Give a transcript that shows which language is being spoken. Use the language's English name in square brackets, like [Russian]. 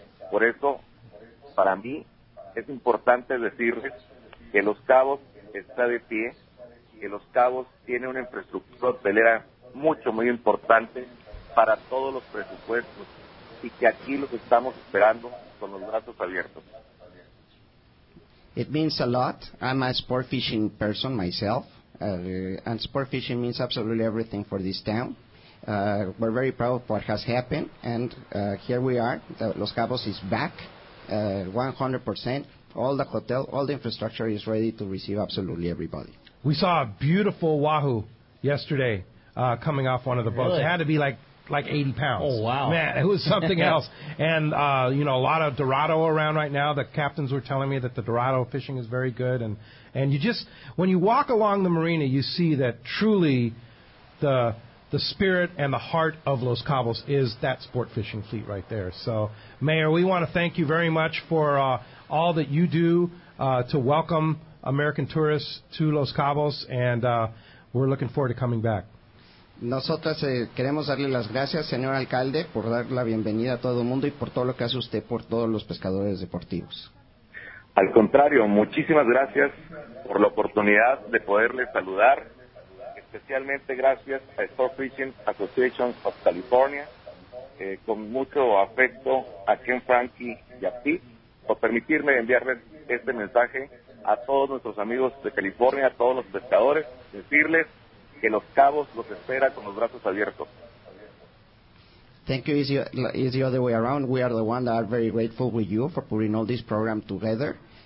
[Spanish] Por eso, para mí, es importante decirles que Los Cabos está de pie, que Los Cabos tiene una infraestructura hotelera mucho, muy importante para todos los presupuestos y que aquí los estamos esperando con los brazos abiertos. [English] It means a lot. I'm a sport fishing person myself. And sport fishing means absolutely everything for this town. We're very proud of what has happened, and here we are. Los Cabos is back 100%. All the hotel, all the infrastructure is ready to receive absolutely everybody. We saw a beautiful wahoo yesterday coming off one of the boats. Really? It had to be like 80 pounds. Oh, wow. Man, it was something else. And, you know, a lot of Dorado around right now. The captains were telling me that the Dorado fishing is very good. And you just, when you walk along the marina, you see that truly the spirit and the heart of Los Cabos is that sport fishing fleet right there. So, Mayor, we want to thank you very much for all that you do to welcome American tourists to Los Cabos. And we're looking forward to coming back. [Spanish] Nosotras queremos darle las gracias, señor alcalde, por dar la bienvenida a todo el mundo y por todo lo que hace usted por todos los pescadores deportivos. Al contrario, muchísimas gracias por la oportunidad de poderle saludar, especialmente gracias a Sport Fishing Association of California, con mucho afecto a Ken Frankie y a ti, por permitirme enviarles este mensaje a todos nuestros amigos de California, a todos los pescadores, decirles que Los Cabos los espera con los brazos abiertos. [English] Thank you. It's the other way around. We are the ones that are very grateful with you for putting all this program together.